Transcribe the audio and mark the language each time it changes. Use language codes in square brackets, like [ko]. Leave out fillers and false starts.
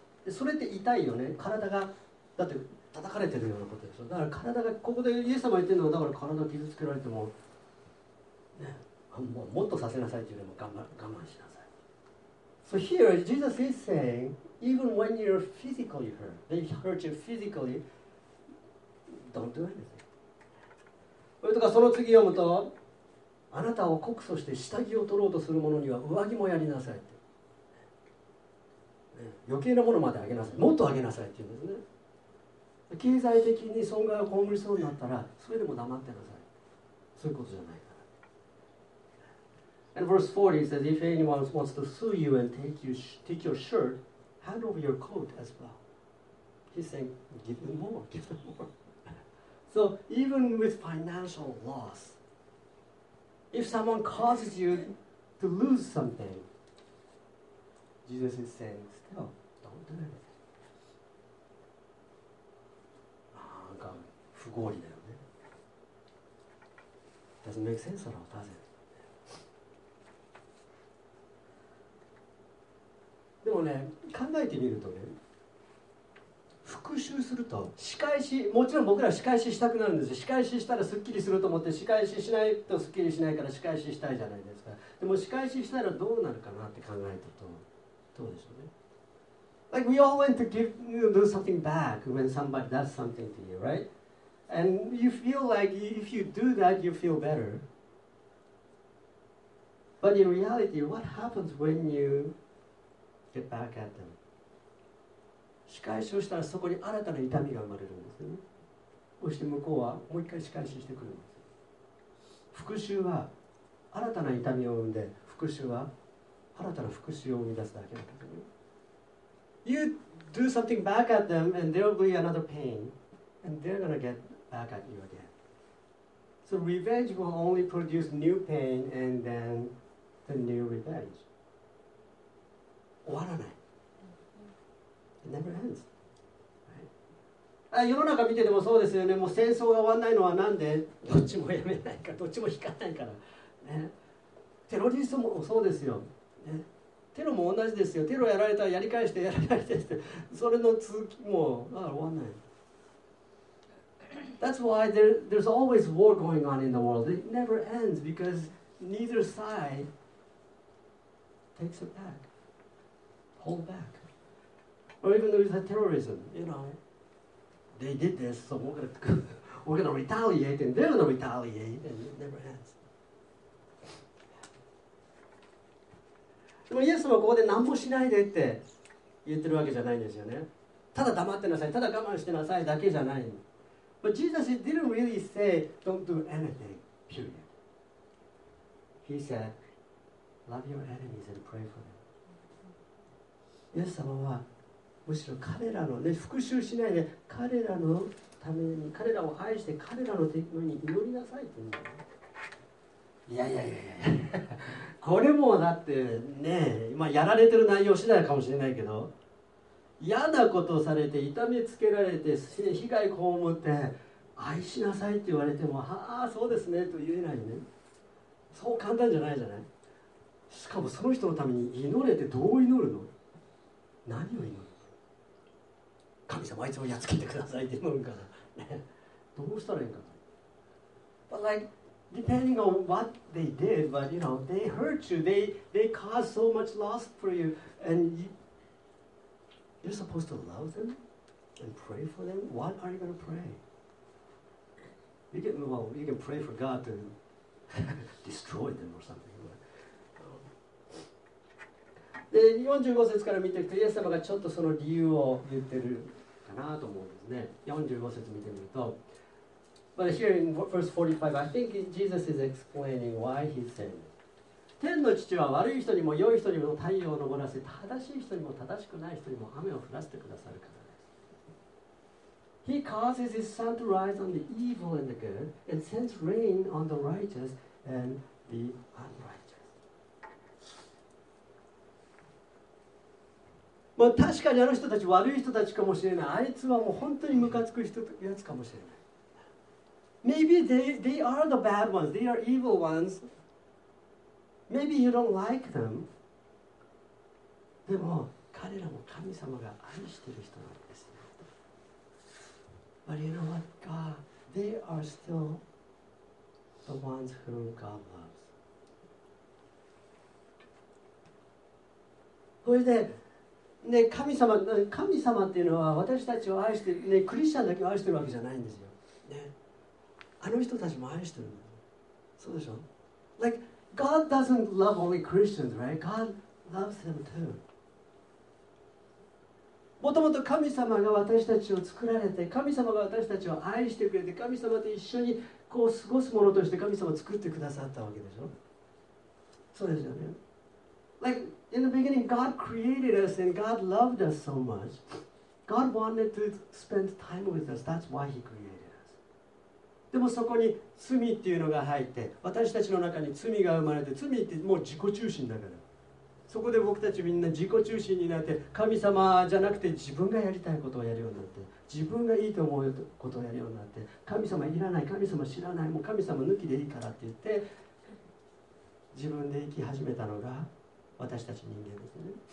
[ja] それって痛いよね。体がだって叩かれてるようなことでしょ。だから体がここでイエス様言ってるのはだから体傷つけられても、ね、もっとさせなさいというよりも我慢しなさい。 [en] So here Jesus is saying, even when you're physically hurt, they hurt you physically, don't do anything. [ja] それとかその次読むと、あなたを告訴して下着を取ろうとする者には上着もやりなさい。余計なものまであげなさい、もっとあげなさいって言うんですね。経済的に損害を被りそうになったら、それでも黙ってなさい。そういうことじゃないから。 [en] And verse 40 says, If anyone wants to sue you and take your shirt, hand over your coat as well. He's saying, give them more. So even with financial loss, if someone causes you to lose something,Jesus is saying, still, don't do it. [ja] なんか不合理だよね。 [en] Doesn't make sense at all, does it? [ja] でもね、考えてみるとね、復讐すると仕返し、もちろん僕らは仕返ししたくなるんですよ。仕返ししたらすっきりすると思って、仕返ししないとすっきりしないから仕返ししたいじゃないですか。でも仕返ししたらどうなるかなって考えると、どうでしょうね。 [en] Like we all want to give, you know, do something back when somebody does something to you, right? And you feel like if you do that, you feel better. But in reality, what happens when you get back at them? [ja] 仕返しをしたらそこに新たな痛みが生まれるんですよね。そして向こうはもう一回仕返ししてくるんです。復讐は新たな痛みを生んで、復讐は新たな復讐を生み出すだけだから、ね、 [en] You do something back at them and there will be another pain and they're gonna get back at you again. So revenge will only produce new pain and then the new revenge. [ja] 終わらない。 [en] It never ends.、 Right? [ja] 世の中見ててもそうですよね。もう戦争が終わらないのはなんで、どっちもやめないか、どっちも引かないから、ね。テロリストもそうですよ。ね、テロも同じですよ。テロやられたらやり返してやり返してして、それの続きもだから終わんない。 [en] That's why there's always war going on in the world. It never ends because neither side takes it back, hold back. Or even with the terrorism, you know, they did this, so we're gonna retaliate and they're gonna retaliate and it never ends. [ja] でもイエス様はここで何もしないでって言ってるわけじゃないんですよね。ただ黙ってなさい、ただ我慢してなさいだけじゃない。 [en] But Jesus didn't really say, don't do anything, period. He said, love your enemies and pray for them. [ja] イエス様はむしろ彼らの、ね、復讐しないで彼らのために彼らを愛して彼らのために祈りなさいって言うんだよ。いやこれもだってね、まあ、やられてる内容次第かもしれないけど、嫌なことをされて痛めつけられて被害被って愛しなさいって言われても、ああそうですねと言えないね。そう簡単じゃないじゃない。しかもその人のために祈れって、どう祈るの、何を祈るの、神様あいつをやっつけてくださいって祈るから、ね、どうしたらいいか。 [en] But like depending on what they did, but you know, they hurt you, they caused so much loss for you, and you're supposed to love them and pray for them. What are you going to pray? You can pray for God to destroy them or something. [ja] で、45節から見ていくと、イエス様がちょっとその理由を言ってるかなと思うんですね。 45節見てみると、 [en] But here in verse 45, I think Jesus is explaining why he said, [ja] 天の父は悪い人にも良い人にも太陽を昇らせ、正しい人にも正しくない人にも雨を降らせてくださるからです。 [en] He causes his sun to rise on the evil and the good, and sends rain on the righteous and the unrighteous. [ja] まあ確かにあの人たち悪い人たちかもしれない。あいつはもう本当にムカつく人やつかもしれない。 [en] Maybe they are the bad ones. They are evil ones. Maybe you don't like them. [ja] でも彼らも神様が愛している人なんです。 [en] But you know what, God? They are still the ones whom God loves. [ja] それで、ね、神様っていうのは私たちを愛してる、ね、クリスチャンだけを愛してるわけじゃないんですよ。ね。あの人たちも愛してるの。そうでしょ。 [en] Like, God doesn't love only Christians, right? God loves them too. [ja] もともと神様が私たちを作られて、神様が私たちを愛してくれて、神様と一緒にこう過ごすものとして神様を作ってくださったわけでしょ。そうですよね。 [en] Like, in the beginning, God created us and God loved us so much. God wanted to spend time with us. That's why he created us. [ja] でもそこに罪っていうのが入って、私たちの中に罪が生まれて、罪ってもう自己中心だから。そこで僕たちみんな自己中心になって、神様じゃなくて自分がやりたいことをやるようになって、自分がいいと思うことをやるようになって、神様いらない、神様知らない、もう神様抜きでいいからって言って、自分で生き始めたのが私たち人間ですね。